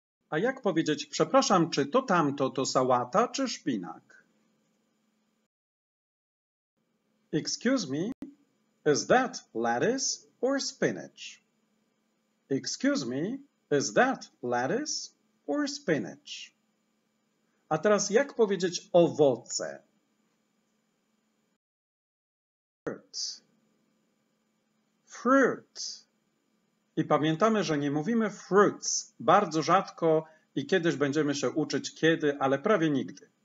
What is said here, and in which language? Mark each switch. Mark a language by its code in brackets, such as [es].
[pl] A jak powiedzieć, przepraszam, czy to tamto to sałata czy szpinak? [en] Excuse me, is that lettuce or spinach? Excuse me, is that lettuce or spinach? [pl] A teraz jak powiedzieć owoce? [en] Fruit. Fruit. [pl] I pamiętamy, że nie mówimy fruits bardzo rzadko i kiedyś będziemy się uczyć kiedy, ale prawie nigdy.